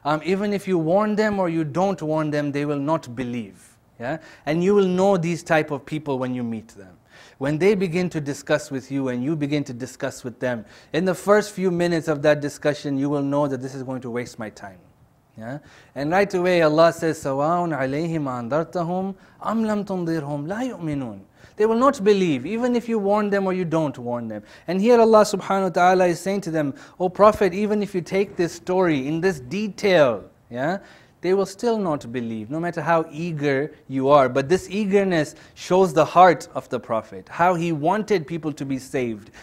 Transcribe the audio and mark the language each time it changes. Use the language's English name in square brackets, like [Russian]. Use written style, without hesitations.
[English] Even if you warn them or you don't warn them, they will not believe. Yeah, and you will know these type of people when you meet them. When they begin to discuss with you and you begin to discuss with them, in the first few minutes of that discussion, you will know that this is going to waste my time. Yeah? And right away Allah says, [Arabic] سَوَاءٌ عَلَيْهِمْ أَنْذَرْتَهُمْ أَمْ لَمْ تُنْذِرْهُمْ لَا يُؤْمِنُونَ. [English] They will not believe, even if you warn them or you don't warn them. And here Allah subhanahu wa ta'ala is saying to them, O Prophet, even if you take this story in this detail, yeah, they will still not believe, no matter how eager you are. But this eagerness shows the heart of the Prophet, how he wanted people to be saved.